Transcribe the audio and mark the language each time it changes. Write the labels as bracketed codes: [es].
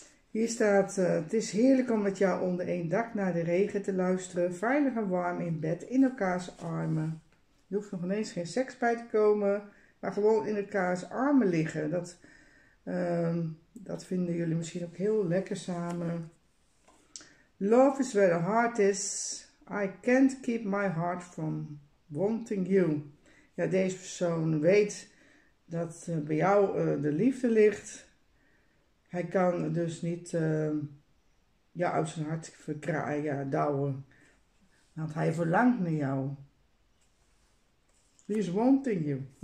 [nl] Hier staat, het is heerlijk om met jou onder één dak naar de regen te luisteren. Veilig en warm in bed, in elkaars armen. Je hoeft nog ineens geen seks bij te komen. Maar gewoon in elkaars armen liggen. Dat vinden jullie misschien ook heel lekker samen. [en] Love is where the heart is. I can't keep my heart from wanting you. [nl] Ja, deze persoon weet dat bij jou de liefde ligt. Hij kan dus niet uit zijn hart douwen. Want hij verlangt naar jou. [en] He is wanting you.